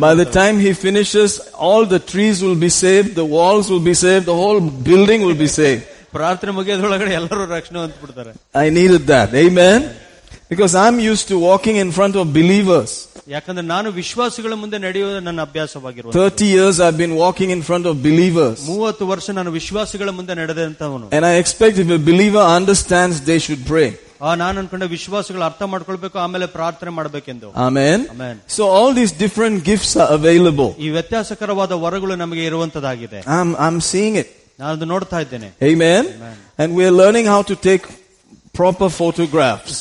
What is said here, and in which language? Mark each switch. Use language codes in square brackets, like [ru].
[en] By the time he finishes, all the trees will be saved, the walls will be saved, the whole building will be save. [kn] ಪ್ರಾರ್ಥನೆ ಮುಗಿಯೋದ್ರೊಳಗಡೆ ಎಲ್ಲರೂ ರಕ್ಷಣೆ ಅಂತ ಬಿಡ್ತಾರೆ. [en] I need that. Amen. Because I am use to walking in front of believers. [kn] ಯಾಕಂದ್ರೆ ನಾನು ವಿಶ್ವಾಸಿಗಳ ಮುಂದೆ ನಡೆಯುವುದು ನನ್ನ ಅಭ್ಯಾಸವಾಗಿರುವ. [en] 30 years I've been walking in front of believers. [kn] 30 ವರ್ಷ ನಾನು ವಿಶ್ವಾಸಿಗಳ ಮುಂದೆ ನಡೆದಂತವನು. [en] And I expect if a believer understands, they should pray. [kn] ನಾನು ಅನ್ಕೊಂಡೆ ವಿಶ್ವಾಸಗಳು ಅರ್ಥ ಮಾಡ್ಕೊಳ್ಬೇಕು, ಆಮೇಲೆ ಪ್ರಾರ್ಥನೆ ಮಾಡಬೇಕೆಂದು. Amen. Amen. [en] So all these different gifts available. [kn] ಈ ವ್ಯತ್ಯಾಸಕರವಾದ ವರಗಳು ನಮಗೆ ಇರುವಂತದಾಗಿದೆ. [en] I am seeing it. Amen. Amen. And we are learning how to take proper photographs.